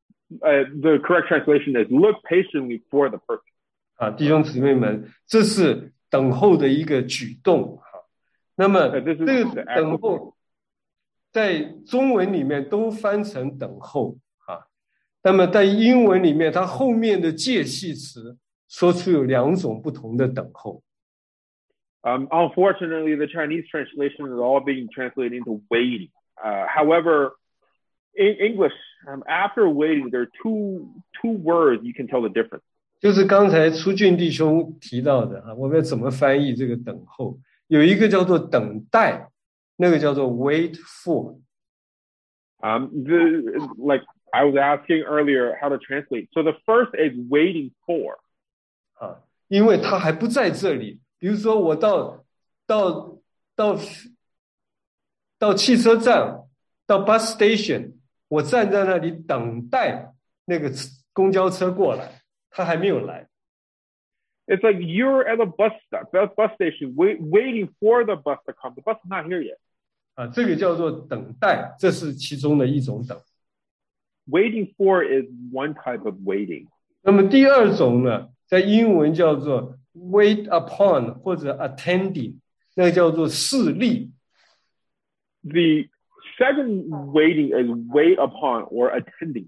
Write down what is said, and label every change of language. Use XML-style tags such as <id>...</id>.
<en>The correct translation is look patiently for the person.</en> <zh>弟兄姊妹们，这是等候的一个举动。那么这个等候在中文里面都翻成等候。那么在英文里面它后面的介系词说出有两种不同的等候。</zh> <en>Unfortunately, the Chinese translation is all being translated into waiting. However,In English, after waiting, there are two words you can tell the difference.</en> <zh>就是刚才初俊弟兄提到的啊，我们要怎么翻译这个等候？有一个叫做等待，那个叫做</zh> <en>wait for. Like I was asking earlier how to translate. So the first is waiting for.</en> <zh>因为他还不在这里。比如说我到汽车站，到</zh> <en>bus station。</en> <zh>我站在那里等待那个公交车过来，他还没有来。</zh> <en>It's like you're at a bus stop, at a bus station, waiting for the bus to come. The bus is not here yet.</en> <zh>这个叫做等待，这是其中的一种等。</zh> <en>Waiting for is one type of waiting.</en> <zh>那么第二种呢，在英文叫做</zh> <en>wait upon</en> <zh>或者 attending， 那个叫做侍立。</zh> <en>The second waiting is wait upon or attending.</en>